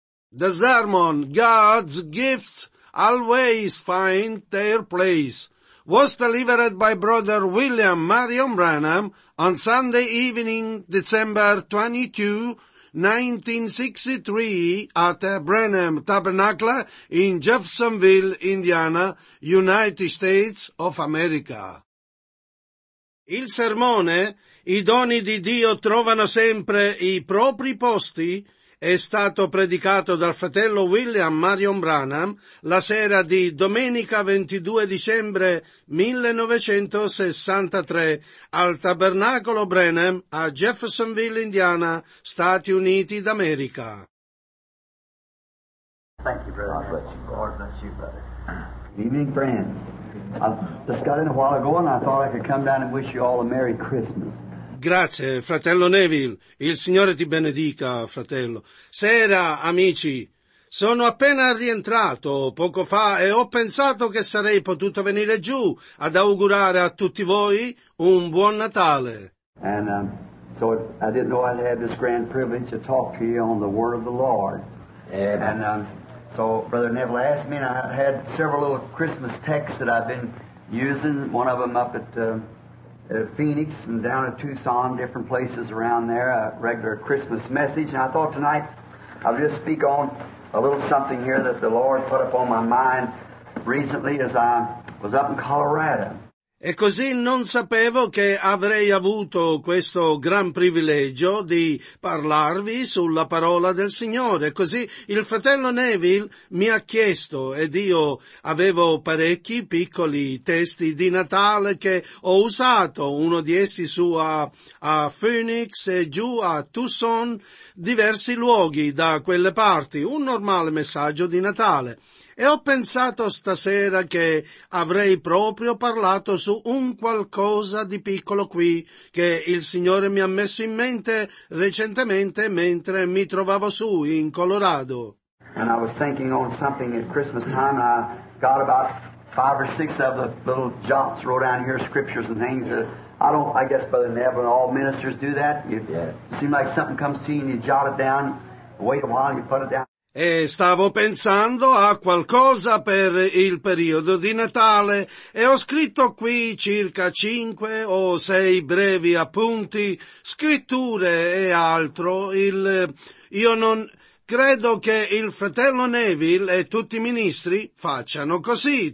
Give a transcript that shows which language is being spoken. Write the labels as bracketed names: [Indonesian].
[English] The sermon, God's gifts always find their place, was delivered by Brother William Marion Branham on Sunday evening, December 22, 1963, at Branham Tabernacle in Jeffersonville, Indiana, United States of America. [Italian] Il sermone, i doni di Dio trovano sempre i propri posti, è stato predicato dal fratello William Marion Branham la sera di domenica 22 dicembre 1963 al Tabernacolo Branham a Jeffersonville, Indiana, Stati Uniti d'America. [English] Thank you, brother. God bless you. Lord bless you, brother. Good evening, friends. I just got in a while ago and I thought I could come down and wish you all a Merry Christmas. [Italian] Grazie, fratello Neville. Il Signore ti benedica, fratello. Sera, amici. Sono appena rientrato poco fa e ho pensato che sarei potuto venire giù ad augurare a tutti voi un buon Natale. [English] And so I didn't know I'd have this grand privilege to talk to you on the word of the Lord. And so Brother Neville asked me, and I had several little Christmas texts that I've been using, one of them up at Phoenix and down at Tucson, different places around there, a regular Christmas message. And I thought tonight I'll just speak on a little something here that the Lord put up on my mind recently as I was up in Colorado. [Italian] E così non sapevo che avrei avuto questo gran privilegio di parlarvi sulla parola del Signore. Così il fratello Neville mi ha chiesto, ed io avevo parecchi piccoli testi di Natale che ho usato, uno di essi su a Phoenix e giù a Tucson, diversi luoghi da quelle parti, un normale messaggio di Natale. E ho pensato stasera che avrei proprio parlato su un qualcosa di piccolo qui che il Signore mi ha messo in mente recentemente mentre mi trovavo su in Colorado. [English] And I was thinking on something at Christmas time, and I got about five or six of the little jots wrote down here, scriptures and things that I guess Brother Neville and all ministers do that. It seems like something comes to you and you jot it down, wait a while and you put it down. [Italian] E stavo pensando a qualcosa per il periodo di Natale e ho scritto qui circa 5 o 6 brevi appunti, scritture e altro. Io non credo che il fratello Neville e tutti i ministri facciano così.